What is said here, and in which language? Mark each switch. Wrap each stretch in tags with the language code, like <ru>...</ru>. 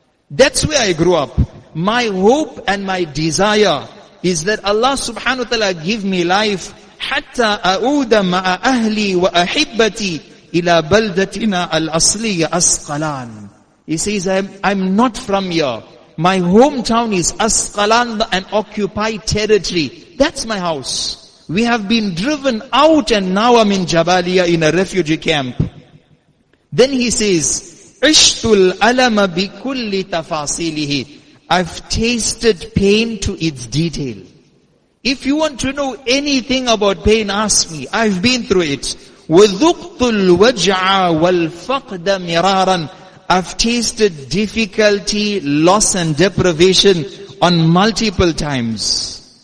<en>That's where I grew up. My hope and my desire is that Allah subhanahu wa ta'ala give me life</en> <ar>hatta a'uda ma'a ahli wa ahibbati ila baldatina al-asliya</ar> <en>Asqalan. He says, I'm not from here. My hometown is Asqalan, an occupied territory. That's my house. We have been driven out and now I'm in Jabalia in a refugee camp. Then he says,</en> <ar>عِشْتُ الْأَلَمَ بِكُلِّ تَفَاصِيلِهِ.</ar> <en>I've tasted pain to its detail. If you want to know anything about pain, ask me. I've been through it.</en> <ar>وَذُقْتُ الْوَجْعَ وَالْفَقْدَ مِرَارًا.</ar> <en>I've tasted difficulty, loss and deprivation on multiple times.</en>